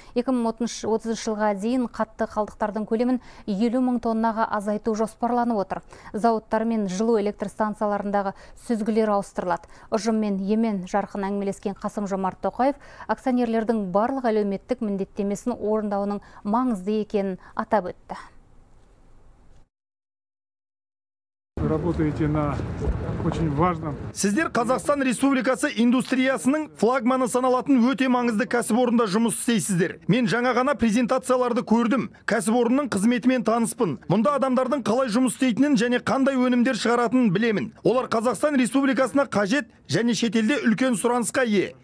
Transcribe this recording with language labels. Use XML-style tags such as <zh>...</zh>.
<kk>2030 жылға дейін қатты қалдықтардың көлемін 50 мың тоннаға азайту жоспарланып отыр. Зауыттар мен жылу электр станцияларындағы сүзгілер ауыстырылады. Ұжыммен емен жарқын әңгімелескен Қасым Жомарт Тоқаев акционерлердің барлық әлеуметтік міндеттемесін орындауының маңызды екенін атап өтті.</kk> <ru>Работаете на очень важном.</ru> <kk>Сіздер Қазақстан Республикасы индустриясының флагманы саналатын өте маңызды кәсіпорында жұмыс істейсіздер. Мен жаңа ғана презентацияларды көрдім. Кәсіпорынның қызметімен таныспын. Мұнда адамдардың қалай жұмыс істейтінін және қандай өнімдер шығаратынын білемін. Олар Қазақстан Республикасына қажет және шетелде үлкен сұранысқа ие.</kk>